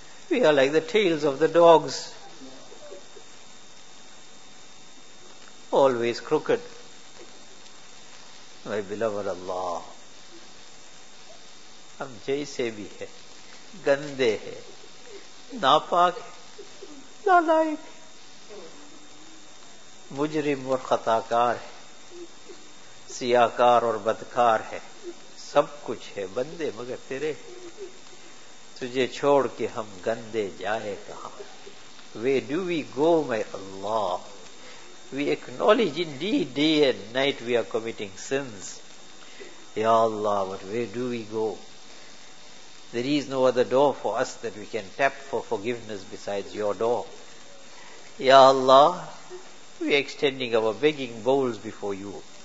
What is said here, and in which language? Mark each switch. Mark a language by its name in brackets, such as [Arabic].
[English] We are like the tails of the dogs, always crooked. My beloved Allah, [Urdu] hum jaise bhi hai, gande hai, napak hai, nalayak hai, مجرم اور خطاکار ہے, سیاہکار اور بدکار ہے, سب کچھ ہے بندے مگر تیرے, تجھے چھوڑ کے ہم گندے جائے کہاں. [English] Where do we go, my Allah? We acknowledge indeed day and night we are committing sins. Ya Allah, but where do we go? There is no other door for us that we can tap for forgiveness besides your door. Ya Allah, we are extending our begging bowls before you.